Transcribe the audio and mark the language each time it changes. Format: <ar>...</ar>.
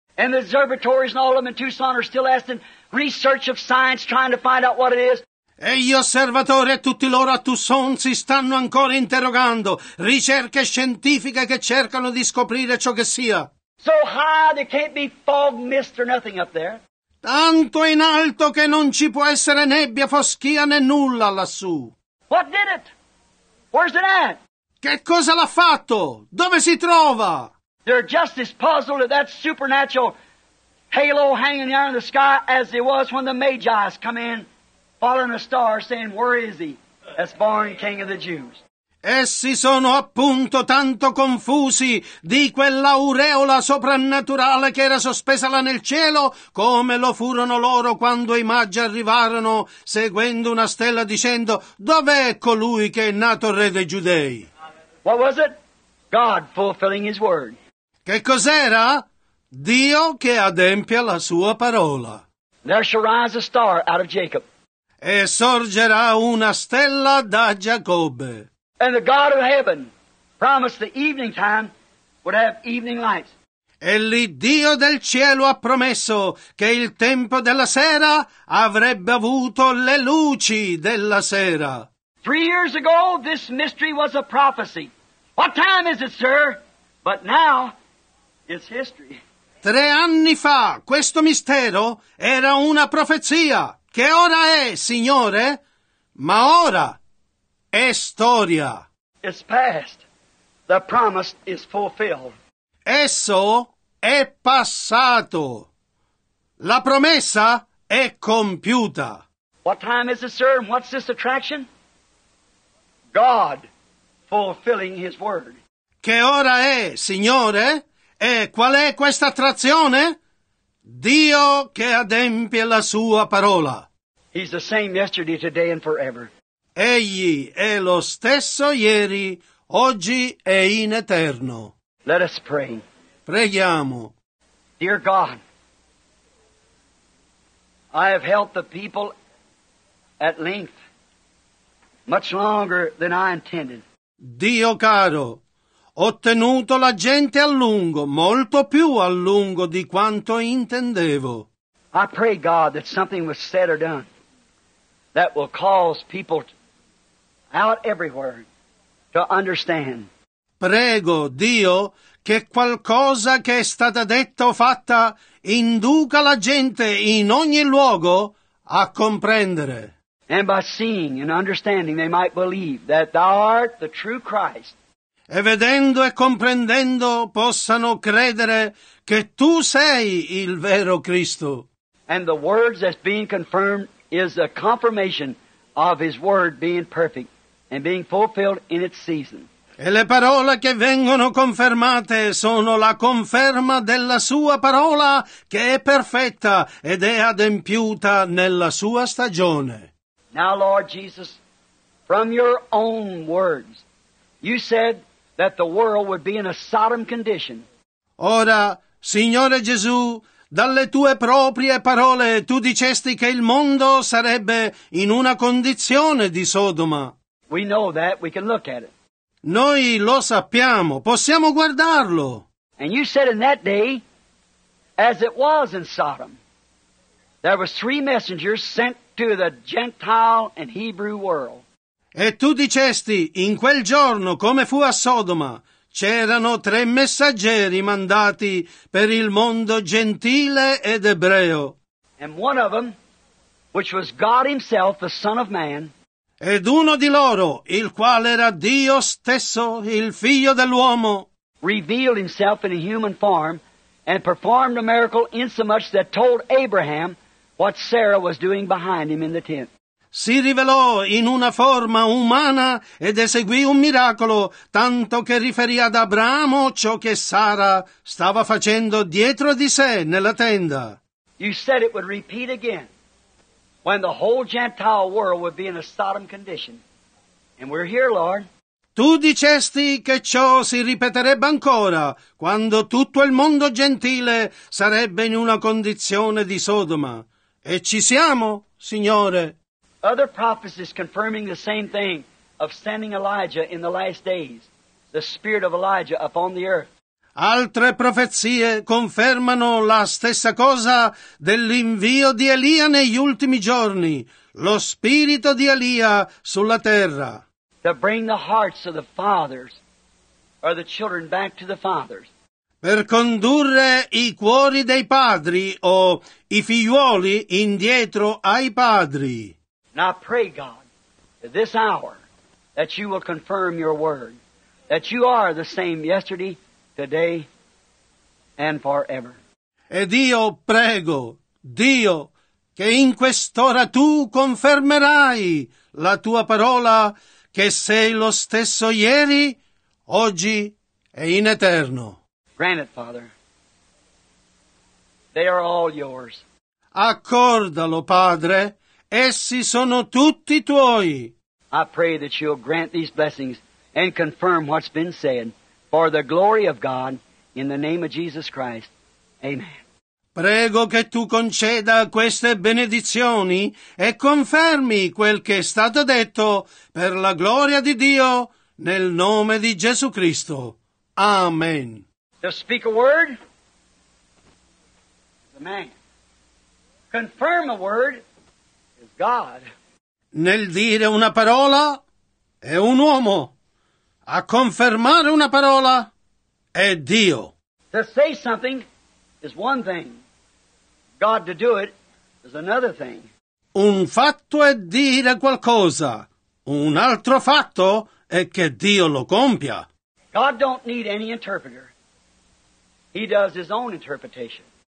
<en>And the observatories and all of them in Tucson are still asking research of science, trying to find out what it is.</en> <it>E gli osservatori e tutti loro a Tucson si stanno ancora interrogando, ricerche scientifiche che cercano di scoprire ciò che sia.</it> <en>So high there can't be fog, mist or nothing up there.</en> <it>Tanto in alto che non ci può essere nebbia, foschia né nulla lassù.</it> <en>What did it? Where's it at?</en> <it>Che cosa l'ha fatto? Dove si trova?</it> <en>They're just as puzzled at that supernatural halo hanging down in the sky as it was when the Magi's come in following a star saying, where is he? That's born king of the Jews.</en> <it>Essi sono appunto tanto confusi di quell'aureola soprannaturale che era sospesa là nel cielo come lo furono loro quando i Magi arrivarono seguendo una stella dicendo, dov'è colui che è nato re dei Giudei?</it> <en>What was it? God fulfilling his word.</en> <it>Che cos'era? Dio che adempia la sua parola.</it> <en>There shall rise a star out of Jacob.</en> <it>E sorgerà una stella da Giacobbe.</it> <en>And the God of heaven promised the evening time would have evening lights.</en> <it>E l'Iddio del cielo ha promesso che il tempo della sera avrebbe avuto le luci della sera.</it> <en>3 years ago this mystery was a prophecy. What time is it, sir? But now It's history.</en> <it>3 anni fa questo mistero era una profezia. Che ora è, Signore? Ma ora è storia.</it> <en>It's past. The promise is fulfilled.</en> <it>Esso è passato. La promessa è compiuta.</it> <en>What time is it, sir? What's this attraction? God fulfilling His word.</en> <it>Che ora è, Signore? E qual è questa attrazione? Dio che adempie la sua parola.</it> <en>He's the same yesterday, today, and forever.</en> <it>Egli è lo stesso ieri, oggi e in eterno.</it> <en>Let us pray.</en> <it>Preghiamo.</it> <en>Dear God, I have helped the people at length, much longer than I intended.</en> <it>Dio caro, ho tenuto la gente a lungo, molto più a lungo di quanto intendevo.</it> <en>I pray, God, that something was said or done that will cause people out everywhere to understand.</en> <it>Prego, Dio, che qualcosa che è stata detta o fatta induca la gente in ogni luogo a comprendere.</it> <en>And by seeing and understanding they might believe that thou art the true Christ.</en> <it>E vedendo e comprendendo possano credere che tu sei il vero Cristo.</it> <en>And the words that's being confirmed is a confirmation of His word being perfect and being fulfilled in its season.</en> <it>E le parole che vengono confermate sono la conferma della Sua parola che è perfetta ed è adempiuta nella Sua stagione.</it> <en>Now, Lord Jesus, from Your own words, You said that the world would be in a Sodom condition.</en> <it>Ora, Signore Gesù, dalle Tue proprie parole Tu dicesti che il mondo sarebbe in una condizione di Sodoma.</it> <en>We know that. We can look at it.</en> <it>Noi lo sappiamo. Possiamo guardarlo.</it> <en>And You said in that day, as it was in Sodom, there were 3 messengers sent to the Gentile and Hebrew world.</en> <it>E Tu dicesti, in quel giorno, come fu a Sodoma, c'erano 3 messaggeri mandati per il mondo gentile ed ebreo.</it> <en>And one of them, which was God Himself, the Son of Man.</en> <it>Ed uno di loro, il quale era Dio stesso, il Figlio dell'uomo,</it> <en>revealed Himself in a human form and performed a miracle insomuch that told Abraham what Sarah was doing behind him in the tent.</en> <it>Si rivelò in una forma umana ed eseguì un miracolo, tanto che riferì ad Abramo ciò che Sara stava facendo dietro di sé nella tenda.</it> <en>You said it would repeat again when the whole Gentile world would be in a Sodom condition. And we're here, Lord.</en> <it>Tu dicesti che ciò si ripeterebbe ancora quando tutto il mondo gentile sarebbe in una condizione di Sodoma. E ci siamo, Signore.</it> <en>Other prophecies confirming the same thing of sending Elijah in the last days, the spirit of Elijah upon the earth.</en> <it>Altre profezie confermano la stessa cosa dell'invio di Elia negli ultimi giorni, lo spirito di Elia sulla terra.</it> <en>To bring the hearts of the fathers or the children back to the fathers.</en> <it>Per condurre i cuori dei padri o i figliuoli indietro ai padri.</it> <en>Now pray, God, at this hour, that You will confirm Your word, that You are the same yesterday, today, and forever.</en> <it>Ed io prego, Dio, che in quest'ora Tu confermerai la Tua parola, che sei lo stesso ieri, oggi e in eterno.</it> <en>Grant it, Father. They are all Yours.</en> <it>Accordalo, Padre. Essi sono tutti Tuoi.</it> <en>I pray that You'll grant these blessings and confirm what's been said for the glory of God in the name of Jesus Christ. Amen.</en> <it>Prego che Tu conceda queste benedizioni e confermi quel che è stato detto per la gloria di Dio nel nome di Gesù Cristo. Amen.</it> <en>To speak a word is a man. Confirm a word is God.</en> <it>Nel dire una parola è un uomo. A confermare una parola è Dio.</it> <en>To say something is one thing. God to do it is another thing.</en> <it>Un fatto è dire qualcosa. Un altro fatto è che Dio lo compia.</it> <en>God don't need any interpreter. He does his own interpretation.</en>